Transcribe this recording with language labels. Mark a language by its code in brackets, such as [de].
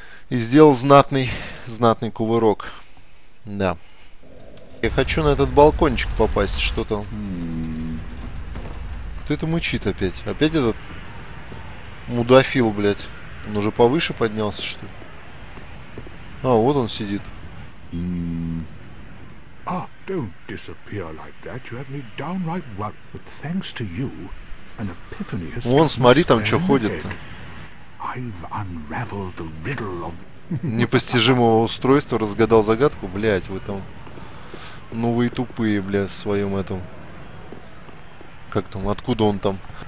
[ru] И сделал знатный кувырок. Да. Я хочу на этот балкончик попасть, что там? Кто это мычит опять? Опять этот мудофил, блядь. Он уже повыше поднялся, что ли? А, вот он сидит. [en] Don't disappear like that. You have me downright worried. But thanks to you, an epiphany has come. [ru] Вон, смотри, там что ходит-то. [en] I've unraveled the riddle of... [ru] Непостижимого устройства, разгадал загадку, блядь, вы там. Ну вы и тупые, бля, в своем этом. Как там, откуда он там?